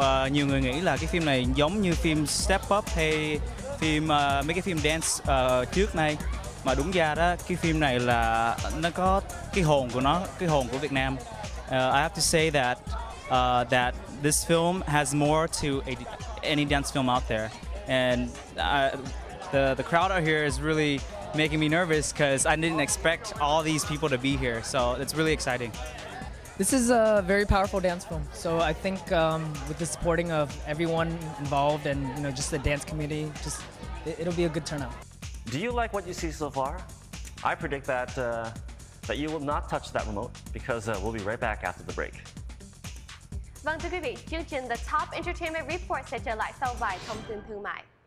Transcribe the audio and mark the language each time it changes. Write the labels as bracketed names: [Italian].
[Vietnamese] Nhiều người nghĩ là cái phim này giống như phim Step Up hay phim mấy cái phim dance trước nay, mà đúng ra đó cái phim này là nó có cái hồn của nó, cái hồn của Việt Nam. [English] I have to say that that this film has more to any dance film out there, and the crowd out here is really making me nervous because I didn't expect all these people to be here, so it's really exciting. This is a very powerful dance film, so I think with the supporting of everyone involved and, you know, just the dance community, just it'll be a good turnout. Do you like what you see so far? I predict that that you will not touch that remote because we'll be right back after the break. [Vietnamese] Vâng, thưa quý vị, chương trình The Top Entertainment Report sẽ trở lại sau vài thông tin thương mại.